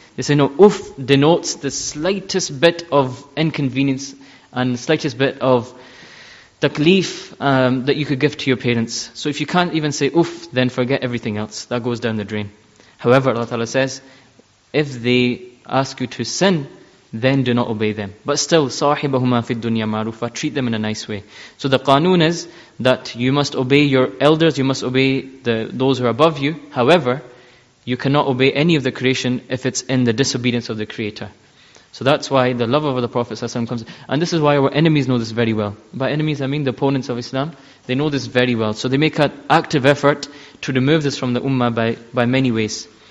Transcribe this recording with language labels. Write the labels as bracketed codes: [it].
[en] They say no, oof denotes the slightest bit of inconvenience and slightest bit of taklif that you could give to your parents. So if you can't even say oof, then forget everything else. That goes down the drain. However, Allah Ta'ala says, if they ask you to sin, then do not obey them. But still, [ar] صَاحِبَهُمَا فِي الدُّنْيَا مَعْرُوفًا. [en] Treat them in a nice way. So the qanun is that you must obey your elders, you must obey those who are above you. However, you cannot obey any of the creation if it's in the disobedience of the Creator. So that's why the love of the Prophet ﷺ comes. And this is why our enemies know this very well. By enemies, I mean the opponents of Islam. They know this very well. So they make an active effort to remove this from the Ummah by many ways.